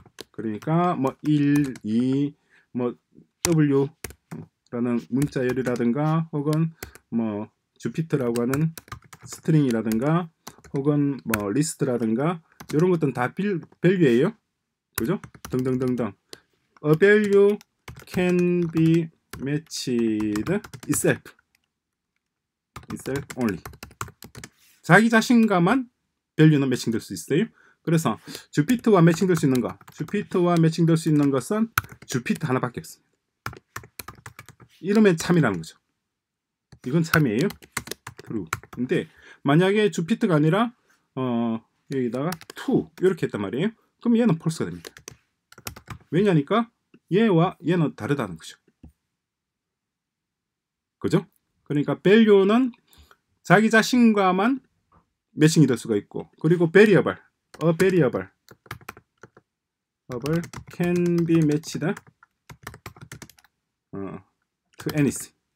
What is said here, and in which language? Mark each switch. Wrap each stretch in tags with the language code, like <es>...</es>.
<ko>그러니까 뭐 1, 2, 뭐 W라는 문자열이라든가 혹은 뭐 주피트라고 하는 스트링이라든가 혹은 뭐 리스트라든가 이런 것들은 다 밸류예요. 그죠? 등등등등.</ko> <en>A value can be matched itself. itself only.</en> <ko>자기 자신과만 밸류는 매칭될 수 있어요. 그래서 주피트와 매칭될 수 있는 것, 주피트와 매칭될 수 있는 것은 주피트 하나밖에 없습니다. 이러면 참이라는 거죠. 이건 참이에요. true. 근데 만약에 주피트가 아니라 여기다가 true 이렇게 했단 말이에요. 그럼 얘는 false가 됩니다. 왜냐니까 얘와 얘는 다르다는 거죠. 그죠? 그러니까 value는 자기 자신과만 매칭이 될 수가 있고, 그리고 variable.</ko> <en>A variable. A variable can be matched to anything.</en>